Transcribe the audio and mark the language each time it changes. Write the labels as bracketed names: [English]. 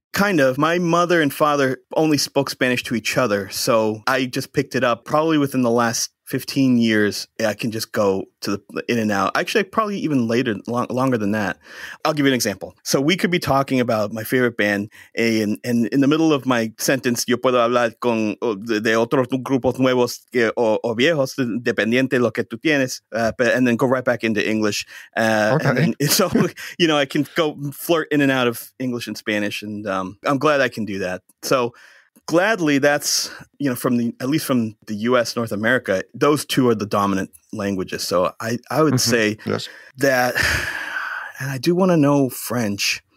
[English] Kind of. My mother and father only spoke Spanish to each other. So I just picked it up probably within the last 15 years. I can just go to the in and out. Actually, probably even later, longer than that. I'll give you an example. So we could be talking about my favorite band. And in the middle of my sentence, [Spanish] yo puedo hablar con de otros grupos nuevos que, o viejos, dependiente lo que tú tienes. [English] And then go right back into English. Okay. And then, so, you know, I can go flirt in and out of English and Spanish. And I'm glad I can do that. So gladly, that's, you know, from the, at least from the U.S., North America, those two are the dominant languages. So I would say that, and I do want to know French.